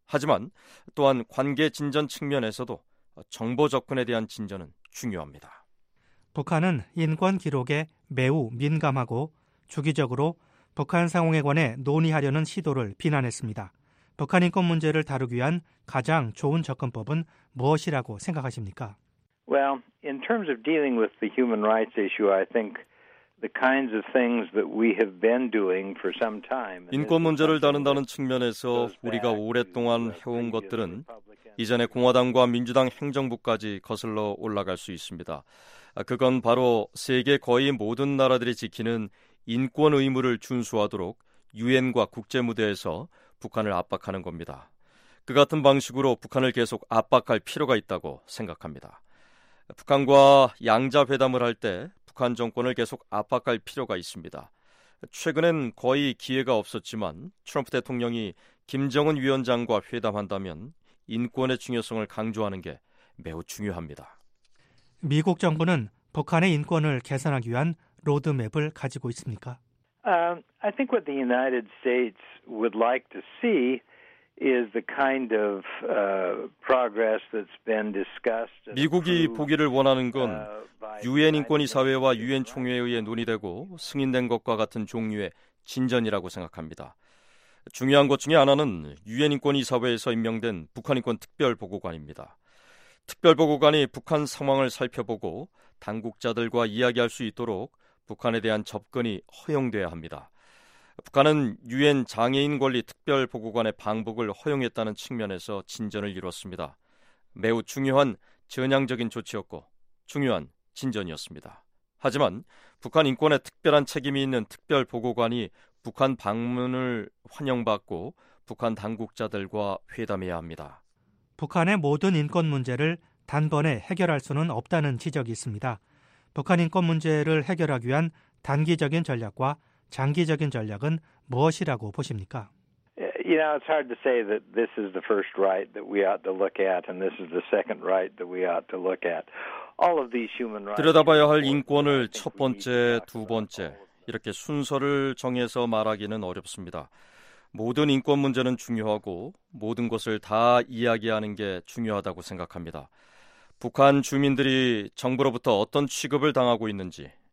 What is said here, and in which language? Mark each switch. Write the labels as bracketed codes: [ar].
[ko] 하지만 또한 관계 진전 측면에서도 정보 접근에 대한 진전은 중요합니다. 북한은 인권 기록에 매우 민감하고 주기적으로 북한 상황에 관해 논의하려는 시도를 비난했습니다. 북한 인권 문제를 다루기 위한 가장 좋은 접근법은 무엇이라고 생각하십니까? [en] Well, in terms of dealing with the human rights issue, I think the kinds of things that we have been doing for some time. [ko] 인권 문제를 다룬다는 측면에서 우리가 오랫동안 해온 것들은 이전의 공화당과 민주당 행정부까지 거슬러 올라갈 수 있습니다. 그건 바로 세계 거의 모든 나라들이 지키는 인권 의무를 준수하도록 유엔과 국제 무대에서 북한을 압박하는 겁니다. 그 같은 방식으로 북한을 계속 압박할 필요가 있다고 생각합니다. 북한과 양자회담을 할 때 북한 정권을 계속 압박할 필요가 있습니다. 최근엔 거의 기회가 없었지만 트럼프 대통령이 김정은 위원장과 회담한다면 인권의 중요성을 강조하는 게 매우 중요합니다. 미국 정부는 북한의 인권을 개선하기 위한 로드맵을 가지고 있습니까? [en] I think what the United States would like to see is the kind of progress that's been discussed. [ko] 미국이 보기를 원하는 건 유엔 인권이사회와 유엔 총회에 의해 논의되고 승인된 것과 같은 종류의 진전이라고 생각합니다. 중요한 것 중에 하나는 유엔 인권이사회에서 임명된 북한 인권 특별 보고관입니다. 특별 보고관이 북한 상황을 살펴보고 당국자들과 이야기할 수 있도록 북한에 대한 접근이 허용돼야 합니다. 북한은 유엔 장애인 권리 특별 보고관의 방북을 허용했다는 측면에서 진전을 이뤘습니다. 매우 중요한 전향적인 조치였고 중요한 진전이었습니다. 하지만 북한 인권에 특별한 책임이 있는 특별 보고관이 북한 방문을 환영받고 북한 당국자들과 회담해야 합니다. 북한의 모든 인권 문제를 단번에 해결할 수는 없다는 지적이 있습니다. 북한 인권 문제를 해결하기 위한 단기적인 전략과 장기적인 전략은 무엇이라고 보십니까? [en] You know, it's hard to say that this is the first right that we ought to look at and this is the second right that we ought to look at. All of these human rights. [ko] 들여다봐야 할 인권을 첫 번째, 두 번째 이렇게 순서를 정해서 말하기는 어렵습니다. 모든 인권 문제는 중요하고 모든 것을 다 이야기하는 게 중요하다고 생각합니다. 북한 주민들이 정부로부터 어떤 취급을 당하고 있는지